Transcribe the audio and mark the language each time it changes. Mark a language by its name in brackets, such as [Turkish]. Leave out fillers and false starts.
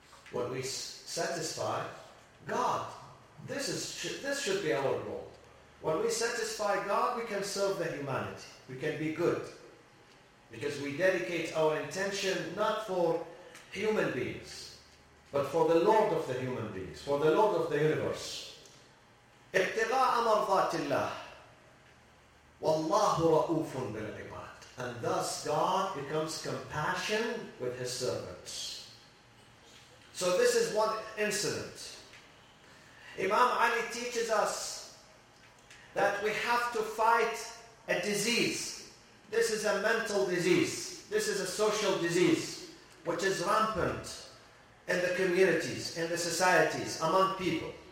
[English] When we satisfy God, this should be our goal. When we satisfy God, we can serve the humanity. We can be good. Because we dedicate our intention not for human beings, but for the Lord of the human beings, for the Lord of the universe. [Arabic] اقتضاء مرضات الله والله رؤوف بالعباد. [English] And thus God becomes compassionate with his servants. So this is one incident. Imam Ali teaches us that we have to fight a disease. This is a mental disease. This is a social disease which is rampant in the communities, in the societies, among people.